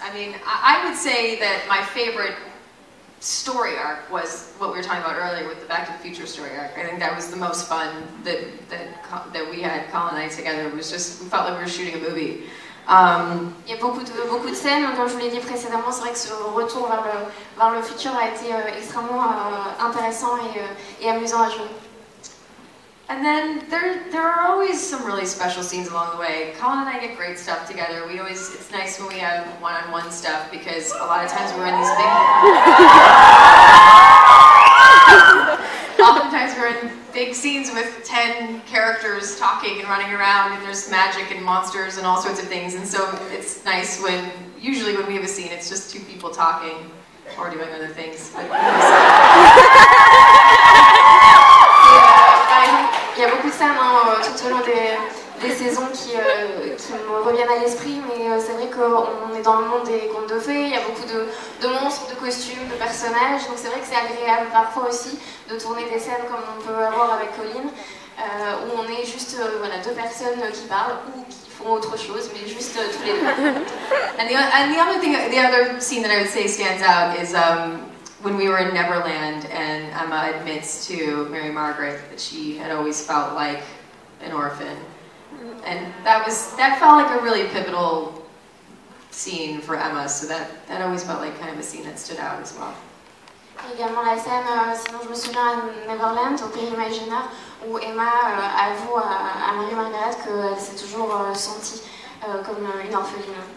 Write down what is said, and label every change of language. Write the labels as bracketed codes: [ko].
[en] I mean, I would say that my favorite story arc was what we were talking about earlier with the Back to the Future story arc. I think that was the most fun that we had, Colin and I, together. It was just, we felt like we were shooting a movie. [fr] Il y a beaucoup de scènes. Comme je vous l'ai dit précédemment, c'est vrai que ce retour vers le futur a été extrêmement intéressant et amusant à jouer. [en] And then there are always some really special scenes along the way. Colin and I get great stuff together. We always, it's nice when we have one-on-one stuff, because a lot of times we're in these big oftentimes we're in big scenes with 10 characters talking and running around, and there's magic and monsters and all sorts of things. And so it's nice when, usually when we have a scene, it's just two people talking or doing other things. [fr] Il y a beaucoup de scènes tout au long des saisons qui qui me reviennent à l'esprit, mais c'est vrai qu'on est dans le monde des contes de fées, il y a beaucoup de monstres, de costumes, de personnages, donc c'est vrai que c'est agréable parfois aussi de tourner des scènes comme on peut avoir avec Colin, où on est juste voilà, deux personnes qui parlent ou qui font autre chose, mais juste tous les deux. [en] And the other scene that I would say stands out is when we were in Neverland and Emma admits to Mary Margaret that she had always felt like an orphan. And that felt like a really pivotal scene for Emma, so that always felt like kind of a scene that stood out as well. [fr] Également la scène, sinon je me souviens, à Neverland, au pays imaginaire, où Emma avoue à Marie-Margaret qu'elle s'est toujours sentie comme une orpheline.